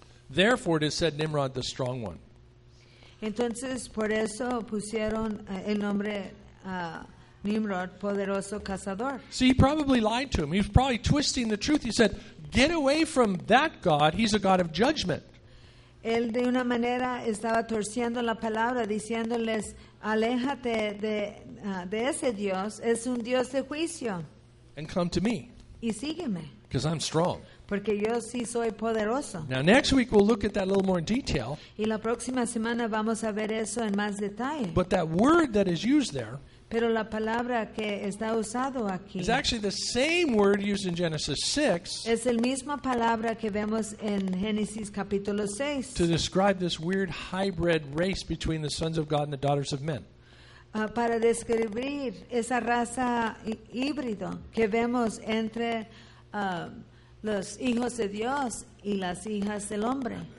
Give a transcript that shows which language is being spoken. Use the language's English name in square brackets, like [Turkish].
[English] Therefore, it is said Nimrod the strong one. [Spanish] Entonces, por eso pusieron el nombre Nimrod, poderoso cazador. [English] See, he probably lied to him. He was probably twisting the truth. He said, get away from that God. He's a God of judgment. [Spanish] Él de una manera estaba torciendo la palabra, diciéndoles, aléjate de ese Dios. Es un Dios de juicio. [English] And come to me. [Spanish] Y sígueme. [English] Because I'm strong. [Spanish] Porque yo sí soy poderoso. [English] Now next week we'll look at that a little more in detail. [Spanish] Y la próxima semana vamos a ver eso en más detalle. [English] But that word that is used there, [Spanish] pero la palabra que está usado aquí, [English] is actually the same word used in Genesis 6. [Spanish] Es el mismo palabra que vemos en Génesis capítulo 6. [English] To describe this weird hybrid race between the sons of God and the daughters of men. [Spanish] Para describir esa raza híbrido que vemos entre los hijos de Dios y las hijas del hombre.